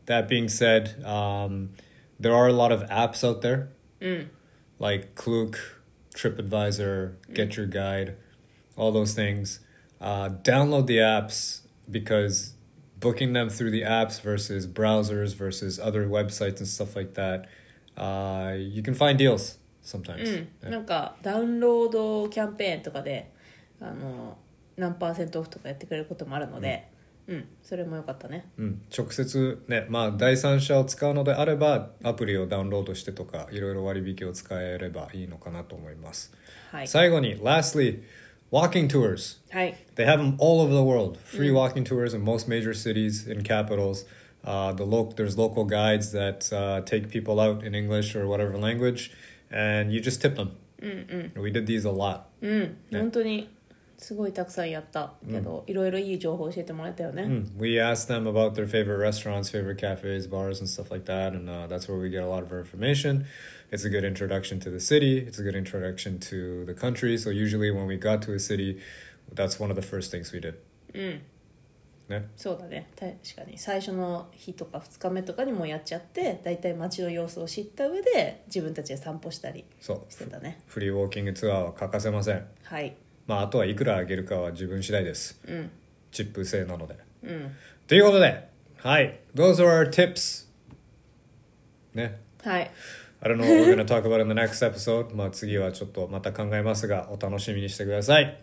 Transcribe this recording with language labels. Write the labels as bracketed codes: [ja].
[en] That being said, there are a lot of apps out there, like Klook, TripAdvisor, Get Your Guide, all those things. Download the apps, because booking them through the apps versus browsers versus other websites and stuff like that, you can find deals sometimes. [ja] なんかダウンロードキャンペーンとかで、あの、何パーセントオフとかやってくれることもあるので、それも良かったね。直接ね、まあ第三者を使うのであれば、アプリをダウンロードしてとか、いろいろ割引を使えればいいのかなと思います。はい。最後に、 [en] lastly、walking tours. [ja] はい。 [en] They have them all over the world. Free walking tours in most major cities and capitals. There's local guides that take people out in English or whatever language, and you just tip them. We did these a lot. We asked them about their favorite restaurants, favorite cafes, bars, and stuff like that, and that's where we get a lot of our information. It's a good introduction to the city. It's a good introduction to the country. So usually when we got to a city, that's one of the first things we did. [ja] ね、そうだね、確かに最初の日とか2日目とかにもやっちゃって、だいたい街の様子を知った上で自分たちで散歩したりしてたね。そう、フリーウォーキングツアーは欠かせません。はい。まああとはいくらあげるかは自分次第です。うん。チップ制なので、うん、ということで、はい、 [en] those are our tips [ja] ね。はい。 [en] I don't know what we're gonna talk about in the next episode。 [ja] まあ次はちょっとまた考えますが、お楽しみにしてください。